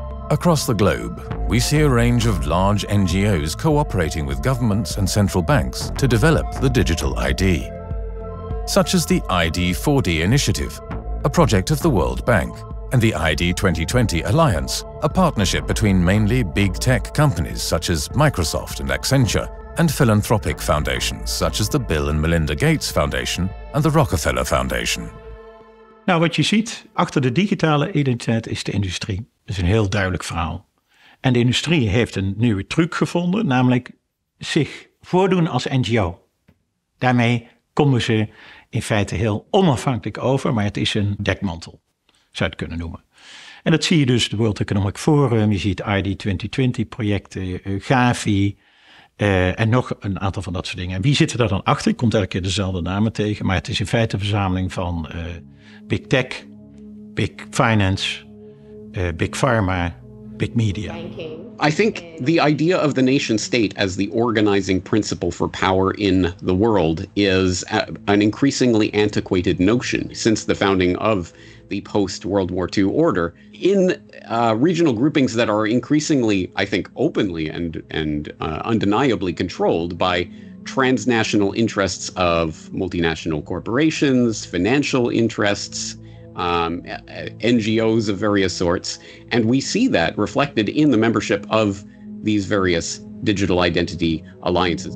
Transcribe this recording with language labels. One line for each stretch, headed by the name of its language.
English: Across the globe, we see a range of large NGOs cooperating with governments and central banks to develop the digital ID, such as the ID4D initiative, a project of the World Bank, and the ID 2020 Alliance, a partnership between mainly big tech companies such as Microsoft and Accenture, and philanthropic foundations such as the Bill and Melinda Gates Foundation and the Rockefeller Foundation.
Dutch: Nou, wat je ziet, achter de digitale identiteit is de industrie. Dat is een heel duidelijk verhaal. En de industrie heeft een nieuwe truc gevonden, namelijk zich voordoen als NGO. Daarmee komen ze in feite heel onafhankelijk over, maar het is een dekmantel, zou je het kunnen noemen. En dat zie je dus de World Economic Forum, je ziet ID 2020 projecten, Gavi en nog een aantal van dat soort dingen. En wie zit er daar dan achter? Ik kom elke keer dezelfde namen tegen, maar het is in feite een verzameling van big tech, big finance, big pharma, big media.
English: I think the idea of the nation state as the organizing principle for power in the world is an increasingly antiquated notion since the founding of the post-World War II order. In regional groupings that are increasingly, I think, openly and undeniably controlled by transnational interests of multinational corporations, financial interests, NGOs of various sorts, and we see that reflected in the membership of these various digital identity alliances.